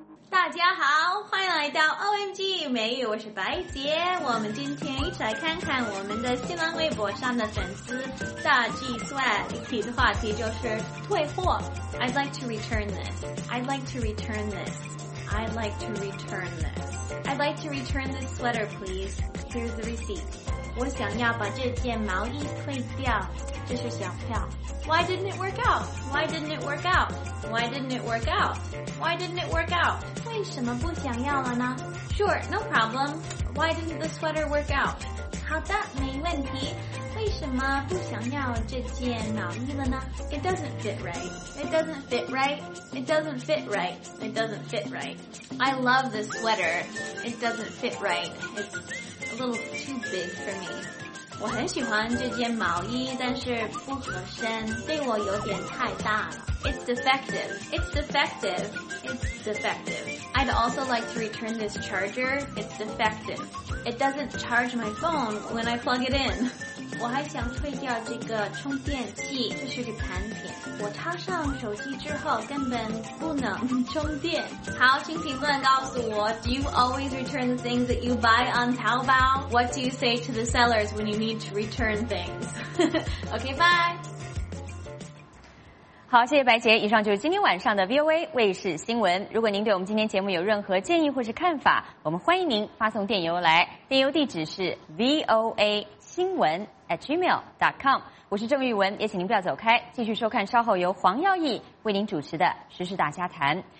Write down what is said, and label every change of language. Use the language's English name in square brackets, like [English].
[Chinese] 大家好，欢迎来到 OMG 美语，我是白姐。我们今天一起来看看我们的新浪微博上的粉丝大 G Sweat 提的话题，就是退货。 [English] I'd like to return this. I'd like to return thisI'd like to return this. I'd like to return this sweater, please. Here's the receipt. [Chinese] 我想要把这件毛衣退掉，这是小票。 [English] Why didn't it work out? Why didn't it work out? Why didn't it work out? Why didn't it work out? [Chinese] 为什么不想要了呢？ [English] Sure, no problem. Why didn't the sweater work out? [Chinese] 好的，没问题。为什么不想要这件毛衣了呢？ [English] It doesn't fit right. It doesn't fit right. It doesn't fit right. It doesn't fit right. I love this sweater. It doesn't fit right. It's a little too big for me. [Chinese] 我很喜欢这件毛衣，但是不合身，对我有点太大了。 [English] It's defective. It's defective. It's defective. I'd also like to return this charger. It's defective. It doesn't charge my phone when I plug it in. [Chinese] 我还想退掉这个充电器，这是个产品，我插上手机之后根本不能充电。好，请评论告诉我， [English] Do you always return the things that you buy on Taobao? What do you say to the sellers when you need to return things? Okay, bye. [Chinese] 好，谢谢白杰。以上就是今天晚上的 VOA 卫视新闻。如果您对我们今天节目有任何建议或是看法，我们欢迎您发送电邮来，电邮地址是 voa.com。我是郑玉文，也请您不要走开，继续收看稍后由黄耀毅为您主持的时事大家谈。